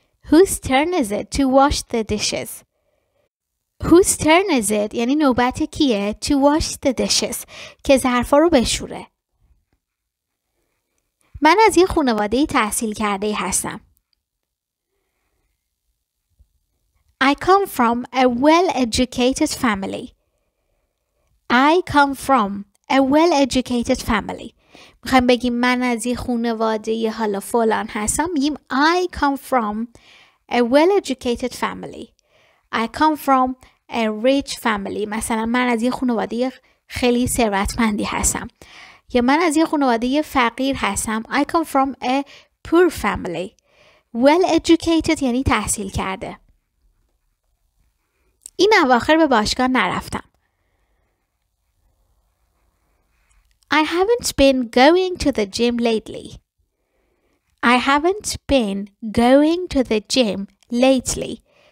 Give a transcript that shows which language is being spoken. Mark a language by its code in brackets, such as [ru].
[en] Whose turn is it to wash the dishes? Whose turn is it [fa] یعنی نوبت کیه [en] to wash the dishes [fa] که ظرفا رو بشوره؟ من از یه خانواده تحصیل کرده هستم. [en] I come from a well-educated family. I come from a well-educated family. [fa] میخوایم بگیم من از یه خانواده یه حالا فلان هستم. میگیم [en] I come from a well-educated family. I come from a rich family. [fa] مثلا من از یه خانواده خیلی ثروتمندی هستم. یا من از یه خانواده فقیر هستم. [en] I come from a poor family. Well educated [fa] یعنی تحصیل کرده. این اواخر به باشگاه نرفتم. [en] I haven't been going to the gym lately. I haven't been going to the gym lately.